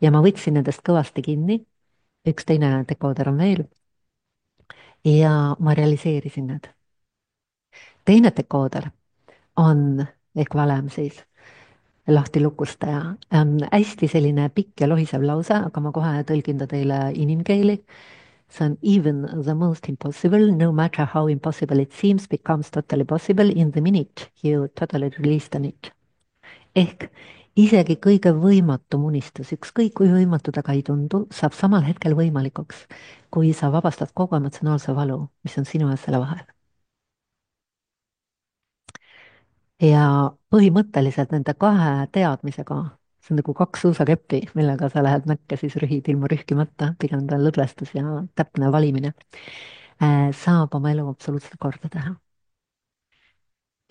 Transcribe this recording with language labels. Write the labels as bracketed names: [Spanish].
[Estonian] ja ma võtsin nendest kõvasti kinni . üks teine dekooder on veel . ja ma realiseerisin need . teine dekooder on ehk valem siis , lahti lukustaja , hästi selline pikk ja lohisev lause , aga ma kohe tõlgin ta teile inimkeeli . see on [English] even the most impossible , no matter how impossible it seems , becomes totally possible in the minute you totally release on it . [Estonian] ehk isegi kõige võimatum unistus , ükskõik kui võimatu ta ka ei tundu , saab samal hetkel võimalikuks , kui sa vabastad kogu emotsionaalse valu , mis on sinu ja selle vahel . ja põhimõtteliselt nende kahe teadmisega , see on nagu kaks suusakeppi , millega sa lähed mäkke , siis rühid ilma rühkimata , pigem ta on lõdvestus ja täpne valimine , saab oma elu absoluutselt korda teha .